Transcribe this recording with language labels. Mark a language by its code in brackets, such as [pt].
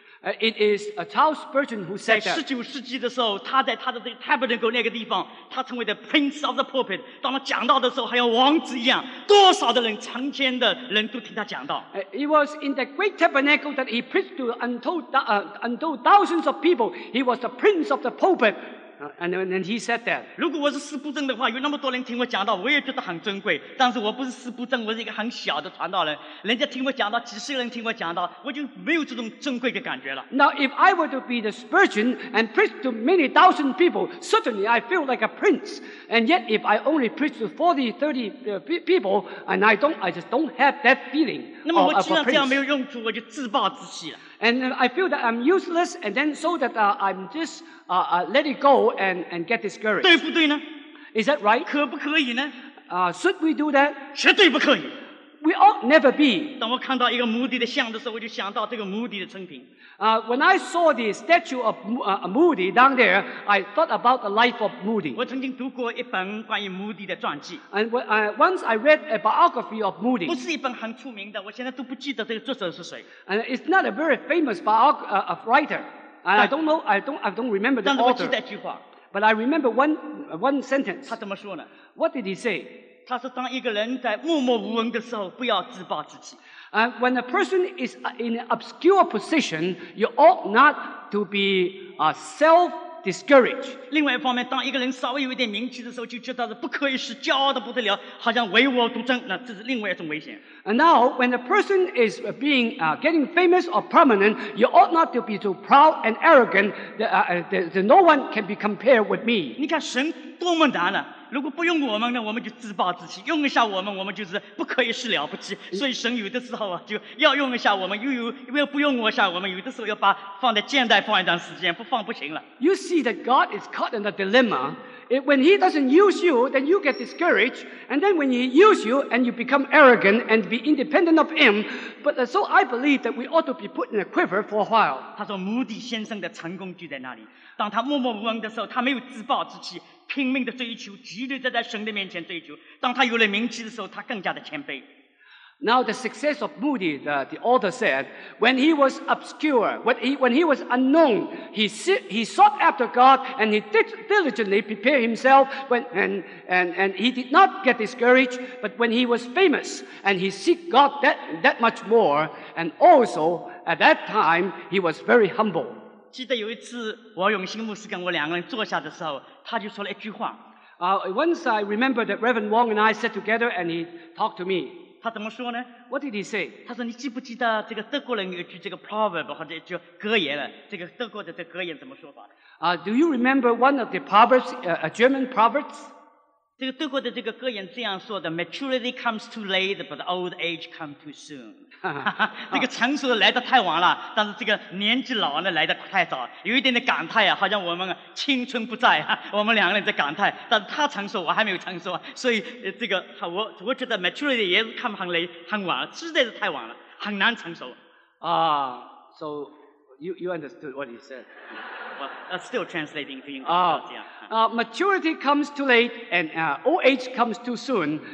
[en] It is a Charles Spurgeon who said that. [zh] 在19世纪的时候，他在他的 Tabernacle 那个地方，他成为 [en] the prince of the pulpit. [zh] 当他讲道的时候，还有王子一样，多少的人，成千的人都听他讲道。 [en] It was in the great tabernacle that he preached to untold thousands of people. He was the prince of the pulpit. And he said that. [zh] 如果我是司布正的话，有那么多人听我讲到，我也觉得很珍贵。但是我不是司布正，我是一个很小的传道人。人家听我讲到，几十个人听我讲到，我就没有这种珍贵的感觉了。 [en] Now, if I were to be the Spurgeon and preach to many thousand people, certainly I feel like a prince. And yet, if I only preach to 40, 30 people, and I just don't have that feeling. [zh] 那么我既然这样没有用处，我就自暴自弃了。 [en] And I feel that I'm useless, and then so that I'm just let it go and get discouraged. [zh] 对不对呢？ [en] Is that right? [zh] 可不可以呢？ [en] Should we do that? [zh] 绝对不可以。 [en] We ought never be. [zh] 当我看到一个摩底的像的时候，我就想到这个摩底的生平。 [en] When I saw the statue of Moody down there, I thought about the life of Moody. [zh] 我曾经读过一本关于摩底的传记。 [en] And once I read a biography of Moody. [zh] 不是一本很出名的，我现在都不记得这个作者是谁。 [en] And it's not a very famous writer. I don't remember the author. [zh] 但是我记得一句话。 [en] But I remember one sentence. [zh] 他怎么说呢？ [en] What did he say? [zh] 他说：“当一个人在默默无闻的时候，不要自暴自弃。 [en] When a person is in an obscure position, you ought not to be self-discouraged. [zh] 另外一方面，当一个人稍微有一点名气的时候，就觉得是不可一世，骄傲的不得了，好像唯我独尊。那这是另外一种危险。 [en] And now, when a person is being getting famous or prominent, you ought not to be too proud and arrogant. That no one can be compared with me. [zh] 你看神多么难啊！” 如果不用我们呢，我们就自暴自弃；用一下我们，我们就是不可一世了不起。所以神有的时候啊，就要用一下我们，又不用一下我们，有的时候要把放在箭袋放一段时间，不放不行了。 [en] You see that God is caught in a dilemma. When He doesn't use you, then you get discouraged. And then when He uses you, and you become arrogant and be independent of Him. But so I believe that we ought to be put in a quiver for a while. [zh] 他说，摩底先生的成功就在那里。当他默默无闻的时候，他没有自暴自弃。拼命的追求，极力在神的面前追求。当他有了名气的时候，他更加的谦卑。 [en] Now the success of Moody, the author said, when he was obscure, when he was unknown, he sought after God and he did diligently prepare himself. And he did not get discouraged. But when he was famous and he seek God that much more, and also at that time he was very humble. [zh] 记得有一次王永兴牧师跟我两个人坐下的时候，他就说了一句话。 [en] Once I remember that Reverend Wong and I sat together and he talked to me. [zh] 他怎么说呢？ [en] What did he say? [zh] 他说，你记不记得这个德国人有一句这个 proverb 或者一句格言了？这个德国的这格言怎么说法？ [en] Do you remember one of the proverbs, a German proverbs? [zh] 这个德国的这个格言这样说的， [en] maturity comes too late, but old age comes too soon. [zh] 这个成熟来得太晚了，但是这个年纪老呢来得太早，有一点的感叹啊，好像我们青春不在啊，我们两个人在感叹，但是他成熟，我还没有成熟，所以这个我觉得 maturity 也是看不很累很晚，实在是太晚了，很难成熟。 [en] So you understood what he said? Well, still translating to English. Maturity comes too late and old age comes too soon.